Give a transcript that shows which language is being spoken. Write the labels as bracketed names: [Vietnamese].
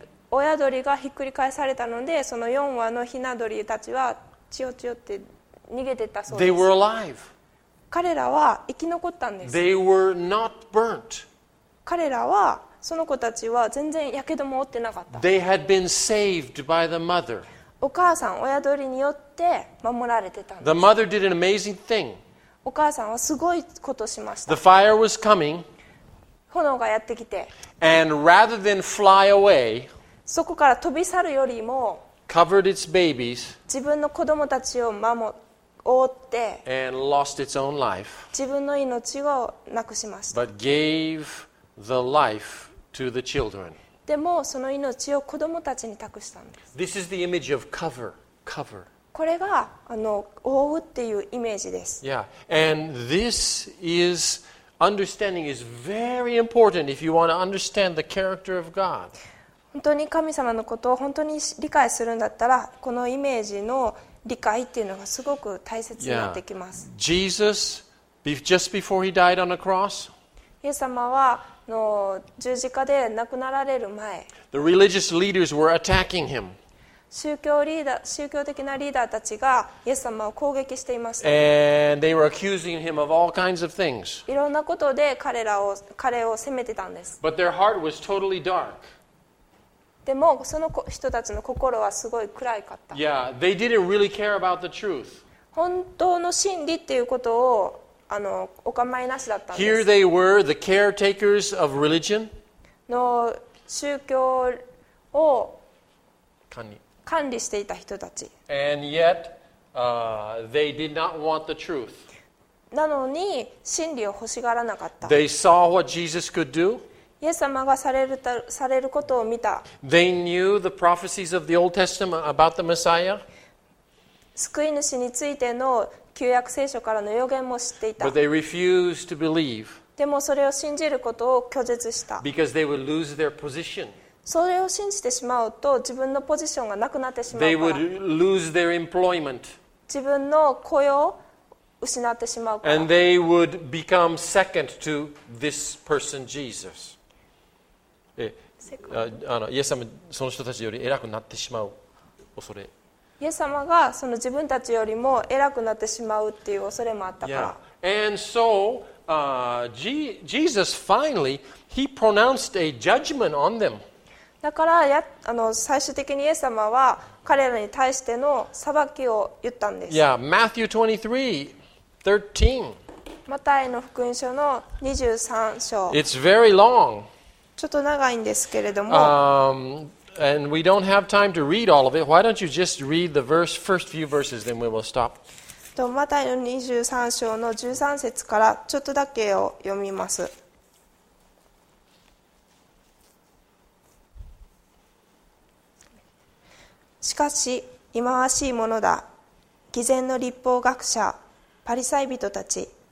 [Japanese] 親鳥がひっくり返されたので、その4羽のヒナ鳥たちはチヨチヨって逃げてたそうです。 [English] They were alive. [Japanese] 彼らは生き残ったんです。 [English] They were not burnt. [Japanese] 彼らは、その子たちは全然やけども負ってなかった。 [English] They had been saved by the mother. [Japanese] お母さん、親鳥によって守られてたんです。 [English] The mother did an amazing thing. [Japanese] お母さんはすごいことをしました。 [English] The fire was coming. [Japanese] 炎がやってきて。 [English] And rather than fly away, [Japanese] そこから飛び去るよりも、 [English] covered its babies. [Japanese] 自分の子供たちを守って、 [English] And lost its own life. [Japanese] 自分の命をなくしました。 [English] But gave the life to the children. [Japanese] でもその命を子供たちに託したんです。 [English] This is the image of cover. Cover. [Japanese] これが覆うっていうイメージです。 Yeah. [English] And this is understanding is very important if you want to understand the character of God. [Japanese] 本当に神様のことを本当に理解するんだったら、このイメージの理解っていうのがすごく大切になってきます。 Yeah. [English] Jesus, just before he died on a cross, [Japanese] イエス様は十字架で亡くなられる前、 [English] the religious leaders were attacking him. [Japanese] 宗教的なリーダーたちがイエス様を攻撃していました。 [English] And they were accusing him of all kinds of things. [Japanese] いろんなことで彼を責めてたんです。 [English] But their heart was totally dark. [Japanese] でもその人たちの心はすごい暗いかった。 [English] Yeah, they didn't really care about the truth. [Japanese] 本当の真理っていうことをお構いなしだったんです。 [English] Here they were, the caretakers of religion. [Japanese] の宗教を管理していた人たち。 [English] And yet, they did not want the truth. [Japanese] なのに真理を欲しがらなかった。 [English] They saw what Jesus could do. [Japanese] イエス様がされることを見た。 [English] They knew the prophecies of the Old Testament about the Messiah. [Japanese] 救い主についての旧約聖書からの予言も知っていた。 [English] But they refused to believe. [Japanese] でもそれを信じることを拒絶した。 [English] Because they would lose their position. [Japanese] それを信じてしまうと自分のポジションがなくなってしまうから。 [English] They would lose their employment. [Japanese] 自分の雇用を失ってしまうから。 [English] And they would become second to this person, Jesus. [Japanese] イエス様その人たちより偉くなってしまう恐れイエス様がその自分たちよりも偉くなってしまうっていう恐れもあったから。 Yeah. [English] And so, Jesus finally, he pronounced a judgment on them. [Japanese] だから最終的にイエス様は彼らに対しての裁きを言ったんです。 [English] Yeah, Matthew 23:13. [Japanese] マタイの福音書の23章。 [English] It's very long. [Japanese] ちょっと長いんですけれども。 [English] And we don't have time to read all of it. Why don't you just read the verse, first few verses, then we will stop. [Japanese] マタイの23章の13節からちょっとだけを読みます。しかし、忌まわしいものだ。偽善の律法学者、パリサイ人たち。